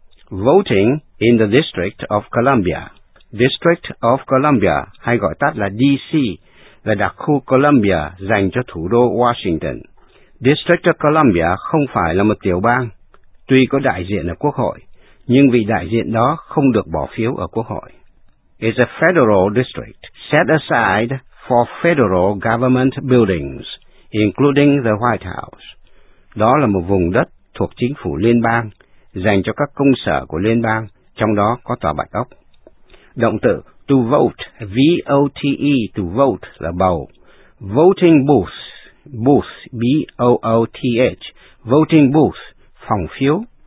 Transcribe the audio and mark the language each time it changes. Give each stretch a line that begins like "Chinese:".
English: Voting in the District of Columbia.
Vietnamese: District of Columbia, hay gọi tắt là DC, là đặc khu Columbia dành cho thủ đô Washington. District of Columbia không phải là một tiểu bang, tuy có đại diện ở Quốc hội, nhưng vị đại diện đó không được bỏ phiếu ở Quốc hội.
English: It's a federal district set aside for federal government buildings, including the White House.
Vietnamese: Đó là một vùng đất thuộc chính phủ liên bang, dành cho các công sở của liên bang, trong đó có tòa Bạch Ốc. Động từ to vote, V-O-T-E, to vote là bầu.
English: Voting booth, booth, B-O-O-T-H, voting booth,
Vietnamese: phòng phiếu.